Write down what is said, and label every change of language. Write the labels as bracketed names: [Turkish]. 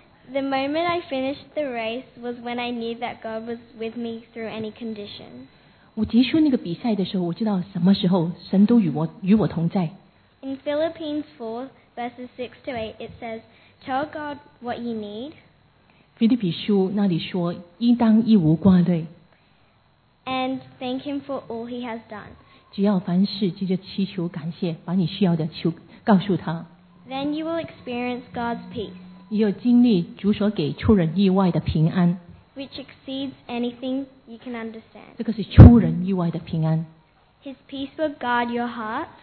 [English] The moment I finished the race was when I knew that God was with me through any condition. [Chinese] 我结束那个比赛的时候，我知道什么时候神都与我同在。 [English] In Philippians 4, verses 6 to 8, it says, Tell God what you need. [Chinese] 腓立比书那里说，应当一无挂虑。 [English] And thank him for all he has done. [Chinese] 只要凡事记着祈求感谢，把你需要的求告诉他。 [English] Then you will experience God's peace. [Chinese] 也有经历主所给出人意外的平安 [English] ，which exceeds anything you can understand。 [Chinese] 这个是出人意外的平安。 [English] His peace will guard your heart。